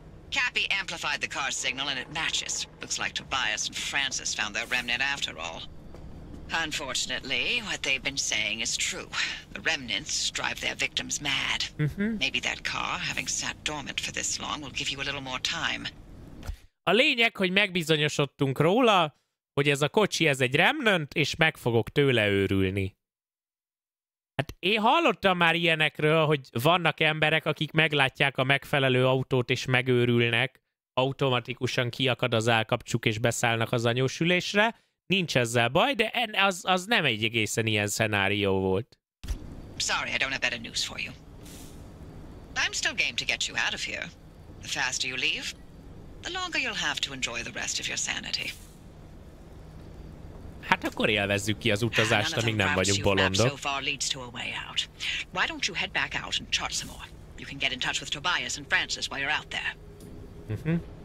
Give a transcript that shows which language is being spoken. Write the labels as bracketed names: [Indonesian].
[English] Cappy amplified the car signal, and it matches. Looks like Tobias and Francis found their remnant after all. Unfortunately, what they've been saying is true. The remnants drive their victims mad. Mm-hmm. Maybe that car, having sat dormant for this long, will give you a little more time. [Hungarian] A lényeg, hogy megbizonyosodtunk róla, hogy ez a kocsi, ez egy remnant, és meg fogok tőle őrülni. Hát én hallottam már ilyenekről, hogy vannak emberek, akik meglátják a megfelelő autót, és megőrülnek, automatikusan kiakad az állkapcsuk, és beszállnak az anyósülésre. Nincs ezzel baj, de az nem egy egészen ilyen szenárió volt. [English] Sorry, I don't have better news for you. I'm still game to get you out of here. The faster you leave, the longer you'll have to enjoy the rest of your sanity. [Hungarian] Hát akkor élvezzük ki az utazást, amíg nem vagyunk bolondok. [English] So far leads to a way out. Why don't you head back out and chart some more? You can get in touch with Tobias and Francis while you're out there.